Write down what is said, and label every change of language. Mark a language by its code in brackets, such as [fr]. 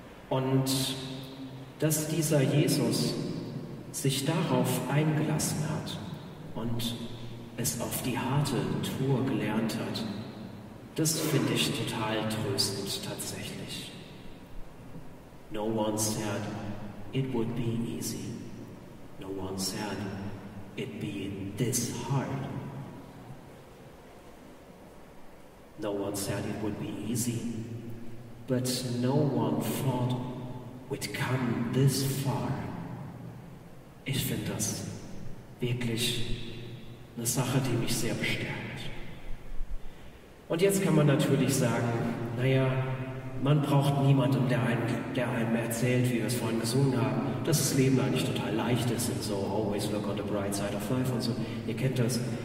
[de] Und dass dieser Jesus sich darauf eingelassen hat und es auf die harte Tour gelernt hat, das finde ich total tröstend tatsächlich. [en] No one said it would be easy. No one said it be this hard. No one said it would be easy, but no one thought we'd come this far. [de] Ich finde das wirklich eine Sache, die mich sehr bestärkt. Und jetzt kann man natürlich sagen, naja, man braucht niemanden, der einem erzählt, wie wir es vorhin gesungen haben, dass das Leben eigentlich total leicht ist und so, [en] always look on the bright side of life [de] und so. Ihr kennt das.